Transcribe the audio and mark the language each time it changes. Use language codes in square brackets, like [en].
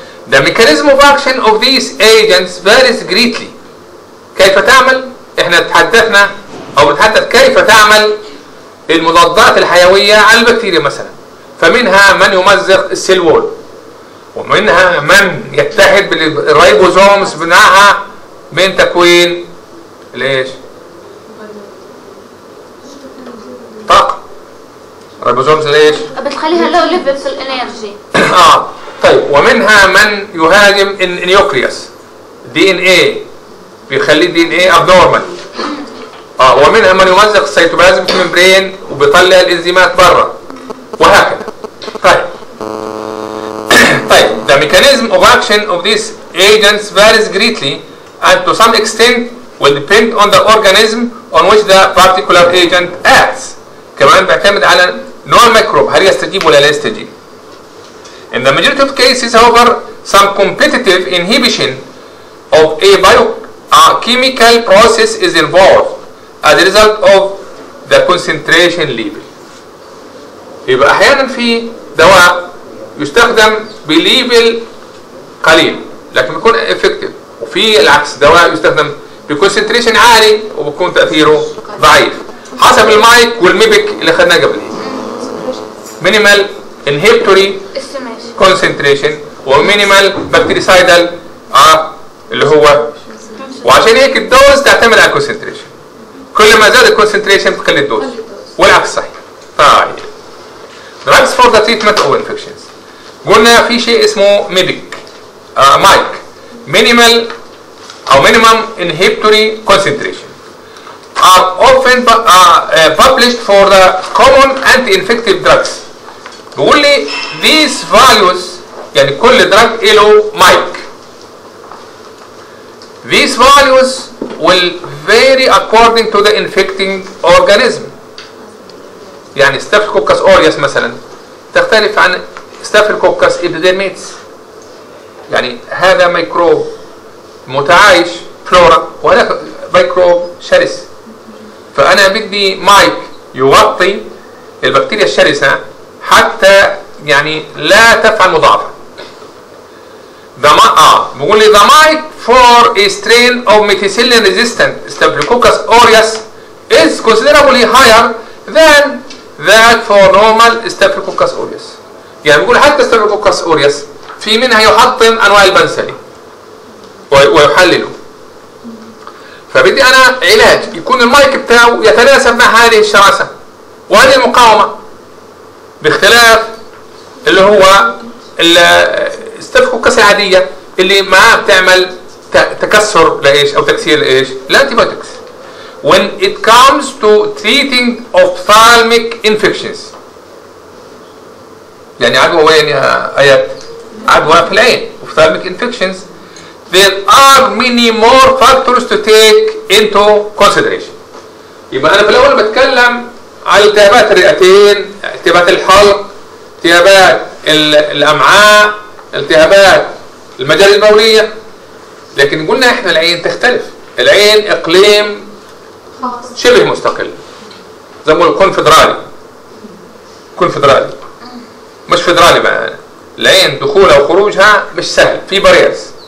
[en] The mechanism of action of these agents varies greatly. [ar] كيف تعمل؟ احنا تحدثنا او بتحدث كيف تعمل المضادات الحيويه على البكتيريا مثلا. فمنها من يمزق السيل وول ومنها من يتحد بالريبوزومز بناها من تكوين ليش؟ طاقة. ريبوزومز ليش؟ بتخليها لو ليفل في الانرجي. طيب ومنها من يهاجم النيوكليوس دي ان اي بيخلي دي ان اي ابنورمال. ومنها من يمزق السيتوبلازم في الممبرين وبيطلع الانزيمات برا وهكذا. [en] طيب the mechanism of action of these agents varies greatly and to some extent will depend on the organism on which the particular agent acts. [ar] كمان بيعتمد على نوع الميكروب هل يستجيب ولا لا يستجيب. [en] In the majority of cases however some competitive inhibition of a biochemical process is involved as a result of the concentration level. [ar] يبقى احيانا في دواء يستخدم بليفل قليل لكن بيكون افكتيف وفي العكس دواء يستخدم بكونسنتريشن عالي وبكون تاثيره ضعيف حسب المايك والميبك اللي اخذناه قبل مينيمال انهيبتوري كونسنتريشن ومينيمال باكتريسايدال اللي هو وعشان هيك الدوز تعتمد على الكونسنتريشن كل ما زاد الكونسنتريشن بقل الدوز والعكس صحيح. [en] طيب drugs for the treatment of infections قلنا في شيء اسمه ميبك مايك مينيمال او minimum inhibitory concentration are often published for the common anti-infective drugs. [ar] بيقول لي these values يعني كل drug له مايك. [en] These values will vary according to the infecting organism. [ar] يعني staphylococcus aureus مثلا تختلف عن staphylococcus epidermidis. يعني هذا ميكروب متعايش فلورا وهذا ميكروب شرس. فانا بدي مايك يغطي البكتيريا الشرسة حتى يعني لا تفعل مضاعفة. [en] بقول لي the mic for a strain of methicillin resistant staphylococcus aureus is considerably higher than that for normal staphylococcus aureus. [ar] يعني بقول حتى staphylococcus aureus في منها يحطم انواع البنسلين ويحلله. فبدي انا علاج يكون المايك بتاعه يتناسب مع هذه الشراسة وهذه المقاومة باختلاف اللي هو الاستفكوكس العادية اللي ما بتعمل تكسر لايش او تكسير لايش الانتيبيوتكس. [en] When it comes to treating ophthalmic infections يعني عدوى وين يا ايات عدوى في العين ophthalmic infections there are many more factors to take into consideration. [ar] يبقى انا في الاول بتكلم على التهابات الرئتين التهابات الحلق التهابات الامعاء التهابات المجال البولية لكن قلنا احنا العين تختلف العين اقليم شبه مستقل زي ما قلنا كونفدرالي مش فدرالي بقى العين دخولها وخروجها مش سهل في باريرز.